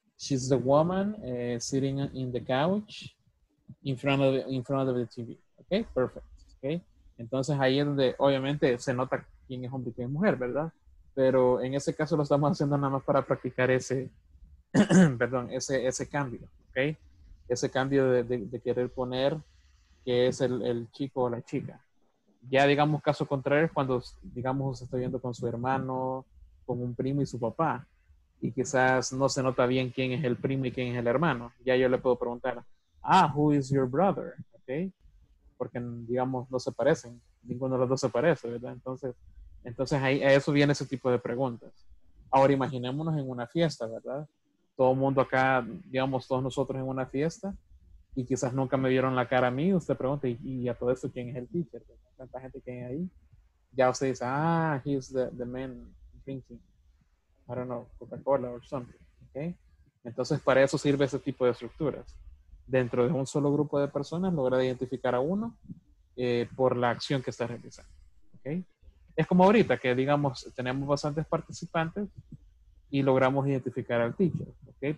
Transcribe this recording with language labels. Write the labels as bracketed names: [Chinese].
[English] She's the woman sitting in the couch in front of the TV. Okay, perfect. Okay. [Spanish] Entonces ahí es donde obviamente se nota quién es hombre y quién es mujer, ¿verdad? Pero en ese caso lo estamos haciendo nada más para practicar ese, perdón, ese cambio, ¿ok? Ese cambio de querer poner que es el chico o la chica. Ya digamos caso contrario es cuando, digamos, se está viendo con su hermano, con un primo y su papá. Y quizás no se nota bien quién es el primo y quién es el hermano. Ya yo le puedo preguntar, ah, [English] who is your brother? [Spanish] ¿Ok? Porque, digamos, no se parecen. Ninguno de los dos se parece, ¿verdad? Entonces ahí, a eso viene ese tipo de preguntas. Ahora imaginémonos en una fiesta, ¿verdad? Todo el mundo acá, digamos, todos nosotros en una fiesta y quizás nunca me vieron la cara a mí, usted pregunta, ¿y a todo esto quién es el teacher? ¿Tanta gente que hay ahí? Ya usted dice, ah, [English] he's the man drinking, I don't know, Coca-Cola or something, ¿okay? [Spanish] Entonces para eso sirve ese tipo de estructuras. Dentro de un solo grupo de personas logra identificar a uno por la acción que está realizando, ¿okay? Es como ahorita que, digamos, tenemos bastantes participantes y logramos identificar al teacher, ¿ok?